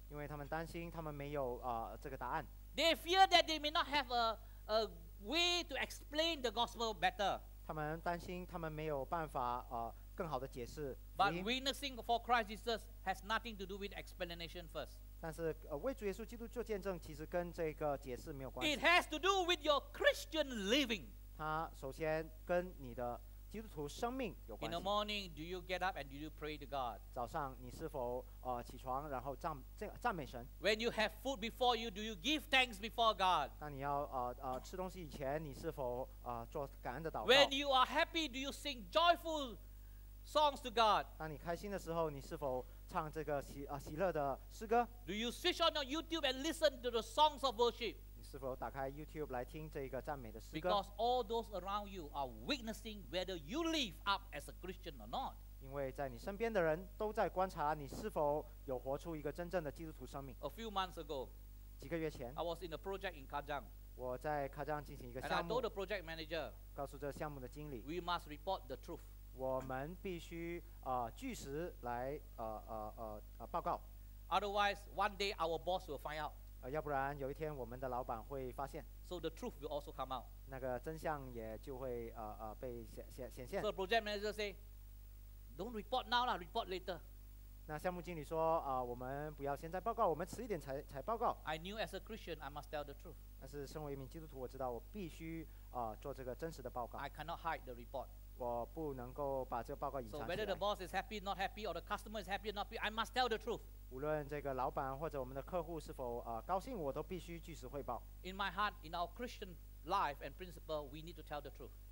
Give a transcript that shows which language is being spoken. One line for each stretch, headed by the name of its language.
Chinese: 因为他们担心他们没有这个答案。
English: They fear that they may not have a way to explain the gospel better.
Chinese: 他们担心他们没有办法更好的解释。
English: But witnessing for Christ Jesus has nothing to do with explanation first.
Chinese: 但是为主耶稣基督做见证其实跟这个解释没有关系。
English: It has to do with your Christian living.
Chinese: 它首先跟你的基督徒生命有关系。
English: In the morning, do you get up and do you pray to God?
Chinese: 早上你是否起床然后赞美神？
English: When you have food before you, do you give thanks before God?
Chinese: 当你要吃东西以前你是否做感恩的祷告？
English: When you are happy, do you sing joyful songs to God?
Chinese: 当你开心的时候你是否唱这个喜乐的诗歌？
English: Do you switch on your YouTube and listen to the songs of worship?
Chinese: 你是否打开 YouTube 来听这个赞美的诗歌？
English: Because all those around you are witnessing whether you live up as a Christian or not.
Chinese: 因为在你身边的人都在观察你是否有活出一个真正的基督徒生命。
English: A few months ago,
Chinese: 几个月前
English: I was in a project in Kajang.
Chinese: 我在喀章进行一个项目。
English: And I told the project manager,
Chinese: 告诉这项目的经理
English: We must report the truth.
Chinese: 我们必须据实来报告。
English: Otherwise, one day our boss will find out.
Chinese: 要不然有一天我们的老板会发现。
English: So the truth will also come out.
Chinese: 那个真相也就会被显现。
English: So the project manager say, don't report now lah, report later.
Chinese: 那项目经理说我们不要现在报告，我们迟一点才报告。
English: I knew as a Christian, I must tell the truth.
Chinese: 但是身为一名基督徒，我知道我必须做这个真实的报告。
English: I cannot hide the report.
Chinese: 我不能够把这个报告隐藏起来。
English: So whether the boss is happy, not happy, or the customer is happy, not happy, I must tell the truth.
Chinese: 无论这个老板或者我们的客户是否高兴，我都必须据实汇报。
English: In my heart, in our Christian life and principle, we need to tell the truth.